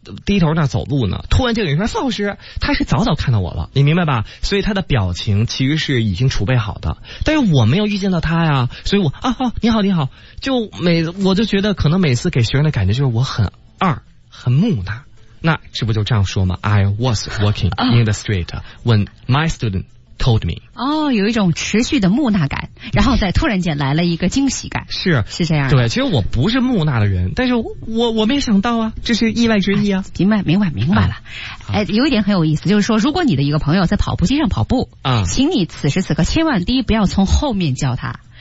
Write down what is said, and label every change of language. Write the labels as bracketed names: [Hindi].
[Chinese] 低头那走路呢，突然就有人说：“宋老师，他是早早看到我了，你明白吧？” 所以他的表情其实是已经储备好的，但是我没有遇见到他呀，所以我啊，你好，你好，就每我就觉得可能每次给学生的感觉就是我很二，很木讷。那这不就这样说吗 [English] ？I was walking in the street when my student told me。 [Chinese] 哦，有一种持续的木讷感，然后再突然间来了一个惊喜感。是是这样。对，其实我不是木讷的人，但是我没想到啊，这是意外之意啊。啊明白明白明白了、啊。哎，有一点很有意思，就是说，如果你的一个朋友在跑步机上跑步啊，请你此时此刻千万第一不要从后面叫他。